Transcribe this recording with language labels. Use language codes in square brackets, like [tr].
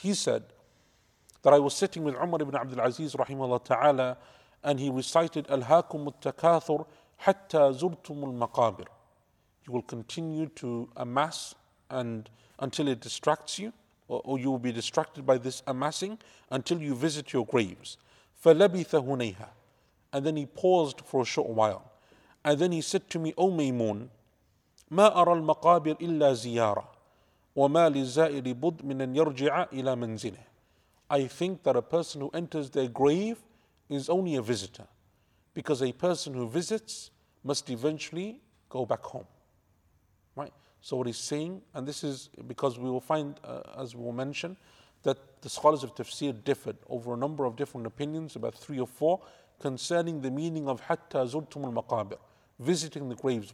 [en] He said that I was sitting with Umar ibn Abdul Aziz rahimahullah ta'ala, and he recited Al-Hakum al-Takathur hatta zurtumul maqabir. You will continue to amass and until it distracts you, or you will be distracted by this amassing until you visit your graves. [ar] فَلَبِثَ هُنَيْهَا. [en] And then he paused for a short while. And then he said to me, O Maymun, [ar] مَا أَرَى الْمَقَابِرِ إِلَّا زِيَارًا وَمَا لِزَائِرِ بُدْ مِنْ أَنْ يَرْجِعَ إِلَى مَنْزِلِهِ. [en] I think that a person who enters their grave is only a visitor, because a person who visits must eventually go back home. Right? So what he's saying, and this is because we will find, as we will mention, that the scholars of tafsir differed over a number of different opinions, about three or four, concerning the meaning of hatta zurtum al-maqabir, visiting the graves.